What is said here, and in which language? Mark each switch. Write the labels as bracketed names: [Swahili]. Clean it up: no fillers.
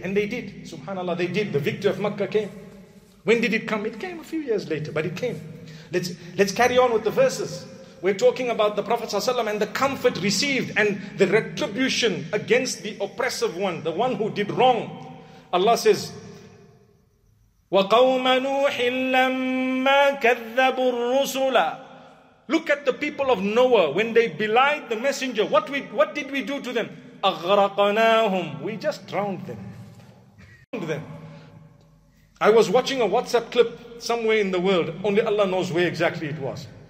[English] And they did, subhanallah, they did. The victory of Makkah came. When did it come? It came a few years later, but it came. Let's carry on with the verses. We're talking about the Prophet sallallahu alaihi wasallam and the comfort received and the retribution against the oppressive one, the one who did wrong. Allah says, [Arabic] وَقَوْمَ نُوحٍ لَمَّا كَذَّبُوا الرُّسُلَ. [English] Look at the people of Noah when they belied the messenger. What did we do to them? [Arabic] أَغْرَقَنَاهُمْ. [English] We just drowned them. I was watching a WhatsApp clip somewhere in the world. Only Allah knows where exactly it was.